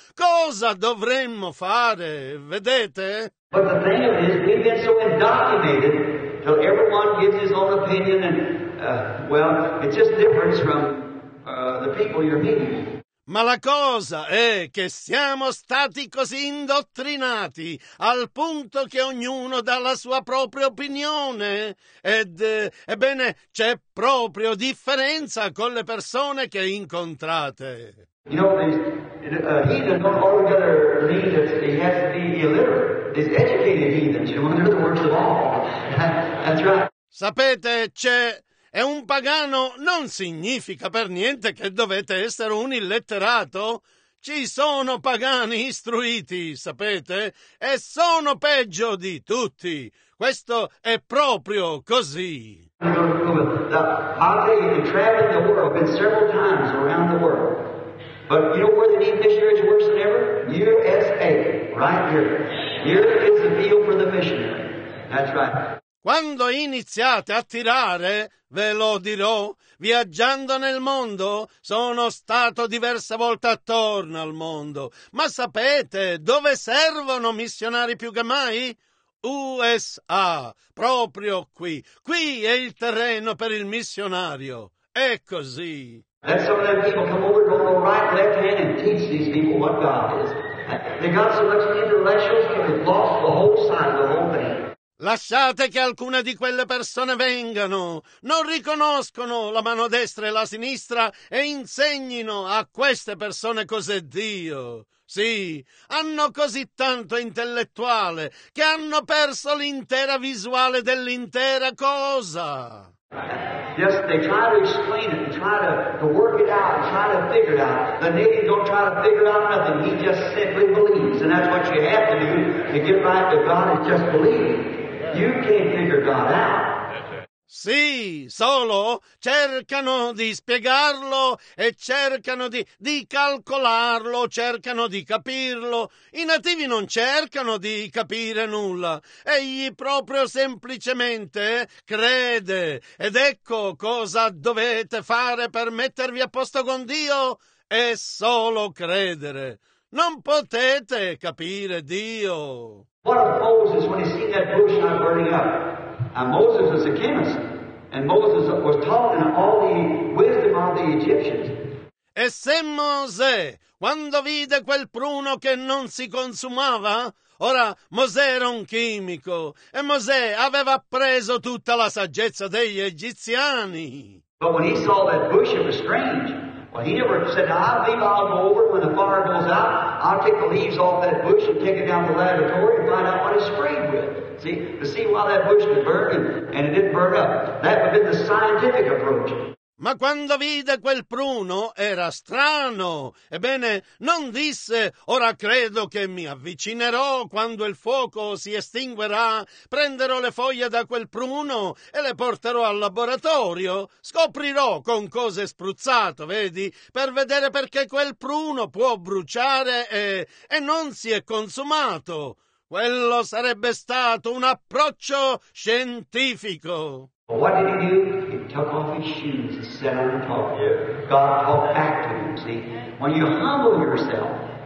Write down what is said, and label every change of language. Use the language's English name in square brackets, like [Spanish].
[Italian] Cosa dovremmo fare? Vedete? [English] But the thing is, we've been so indoctrinated till everyone gives his own opinion and, well, it's just different from the people you're meeting. [Italian] Ma la cosa è che siamo stati così indottrinati al punto che ognuno dà la sua propria opinione. Ed, ebbene, c'è proprio differenza con le persone che incontrate. [English] You know, heathen don't altogether mean that he has to be illiterate. It's educated heathens, you know, they're the worst of all. That's right. [Italian] Sapete, c'è... E un pagano non significa per niente che dovete essere un illetterato. Ci sono pagani istruiti, sapete? E sono peggio di tutti. Questo è proprio così. [English] I'll tell you, traveling the world, been several times around the world. But you know where the need missionaries are worse than ever? USA, right here. Here is the field for the missionary. That's right. [Italian] Quando iniziate a tirare, ve lo dirò, viaggiando nel mondo, sono stato diverse volte attorno al mondo. Ma sapete dove servono missionari più che mai? USA, proprio qui. Qui è il terreno per il missionario. È così. [English] That's some of them people come over and go on right, left hand and teach these people what God is. They got so much intellectuals that they've lost the whole side of the whole thing. [Italian] Lasciate che alcune di quelle persone vengano, non riconoscono la mano destra e la sinistra e insegnino a queste persone cos'è Dio. Sì, hanno così tanto intellettuale che hanno perso l'intera visuale dell'intera cosa. [English] Yes, they try to explain it, try to work it out, try to figure it out. The native don't try to figure out nothing. He just simply believes, and that's what you have to do to get right to God is just believe. you can't figure God out. [Italian] Sì, solo cercano di spiegarlo e cercano di calcolarlo, cercano di capirlo. I nativi non cercano di capire nulla. Egli proprio semplicemente crede. Ed ecco cosa dovete fare per mettervi a posto con Dio. È solo credere. Non potete capire Dio. [English] What if Moses, when he seen that bush not burning up? And Moses is a chemist, and Moses was taught in all the wisdom of the Egyptians. [Italian] E se Mosè, quando vide quel pruno che non si consumava, ora Mosè era un chimico, e Mosè aveva appreso tutta la saggezza degli egiziani. [English] But when he saw that bush, it was strange. Well, he never said, I'll leave, I'll go over when the fire goes out. I'll take the leaves off that bush and take it down to the laboratory and find out what it's sprayed with. See, to see why that bush could burn and it didn't burn up. That would have been the scientific approach. [Italian] Ma quando vide quel pruno era strano. Ebbene, non disse, ora credo che mi avvicinerò quando il fuoco si estinguerà, prenderò le foglie da quel pruno e le porterò al laboratorio, scoprirò con cosa è spruzzato, vedi, per vedere perché quel pruno può bruciare e non si è consumato. Quello sarebbe stato un approccio scientifico. [English] What did he do? He took off his shoes and sat on the top. God talked back to him, see? When you humble yourself.